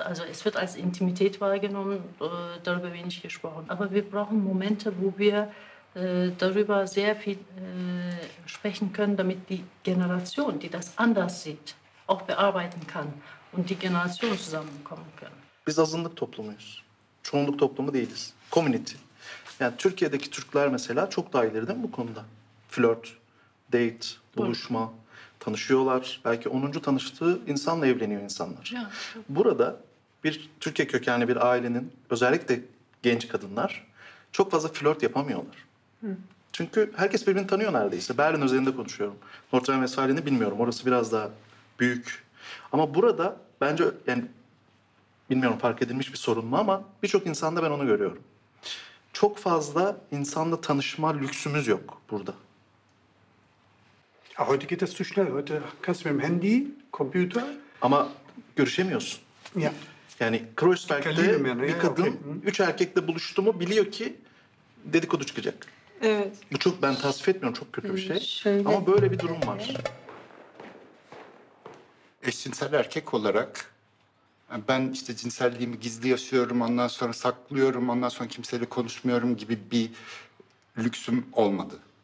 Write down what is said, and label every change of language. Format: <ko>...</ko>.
<de>Also es wird als Intimität wahrgenommen, darüber wenig gesprochen. Aber wir brauchen Momente, wo wir darüber sehr viel sprechen können, damit die Generation, die das anders sieht, auch bearbeiten kann. Und die Generation zusammenkommen können.</de> <tr>Biz azınlık toplumuyuz. Çoğunluk toplumu değiliz. Community. Yani Türkiye'deki Türkler mesela çok daha ileri değil mi bu konuda? Flört, date, buluşma, tanışıyorlar. Belki 10. tanıştığı insanla evleniyor insanlar. Ya, burada bir Türkiye kökenli bir ailenin, özellikle genç kadınlar, çok fazla flört yapamıyorlar. Hı. Çünkü herkes birbirini tanıyor neredeyse. Berlin üzerinde konuşuyorum. North Rhine-Westphalia'yı bilmiyorum. Orası biraz daha büyük. Ama burada bence, yani bilmiyorum fark edilmiş bir sorun mu ama birçok insanda ben onu görüyorum. Çok fazla insanla tanışma lüksümüz yok burada.</tr> <de>Ha, heute geht das zu schnell. Heute kannst du mit dem Handy, Computer.</de> <tr>Ama görüşemiyorsun.</tr> <de>Ja.</de> <tr>Yani Kreuzberg'te bir kadın üç erkekle buluştu mu biliyor ki dedikodu çıkacak. Evet. Bu çok, ben tasvip etmiyorum, çok kötü bir şey. Şöyle. Ama böyle bir durum var. Eşcinsel erkek olarak ben işte cinselliğimi gizli yaşıyorum, ondan sonra saklıyorum, ondan sonra kimseyle konuşmuyorum gibi bir lüksüm olmadı.</tr>